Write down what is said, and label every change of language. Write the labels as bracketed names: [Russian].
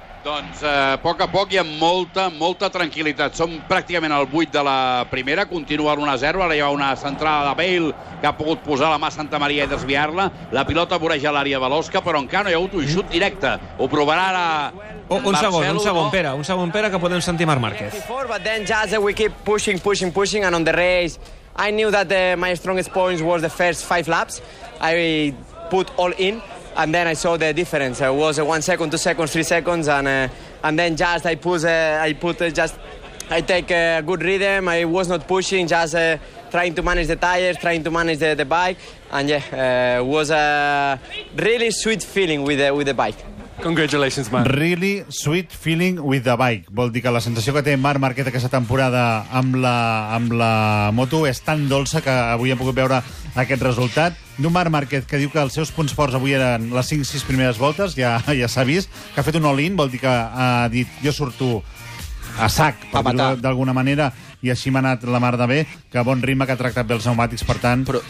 [Catalan] Doncs poc a poc i amb molta tranquil·litat. Som pràcticament al 8 de la primera, continua l'1-0, ara hi ha una centrada de Bale que ha pogut posar la mà a Santa Maria i desviar-la. La pilota voreja l'àrea de l'Osca, però encara no hi ha hagut un xut directe. Ho provarà ara un segon, Pere, que podem sentir Marc Márquez. [English] But then just we keep pushing, and on the race, I knew that my strongest points was the first 5 laps. I put all in. And then I saw the difference. It was 1 second, 2 seconds, 3 seconds, and then just I take a good rhythm. I was not pushing, just trying to manage the tires, trying to manage the bike, and yeah, was a really sweet feeling with the bike. Congratulations, man. Really sweet feeling with the bike. [Catalan] Vol dir que la sensació que té Marc Márquez aquesta temporada amb la moto és tan dolça que avui hem pogut veure aquest resultat. D'un Marc Márquez que diu que els seus punts forts avui eren les 5-6 primeres voltes, ja s'ha vist, que ha fet un all-in, vol dir que ha dit jo surto a sac, per dir-ho d'alguna manera, i així m'ha anat la mar de bé, que bon ritme que ha tractat bé els pneumàtics, per tant...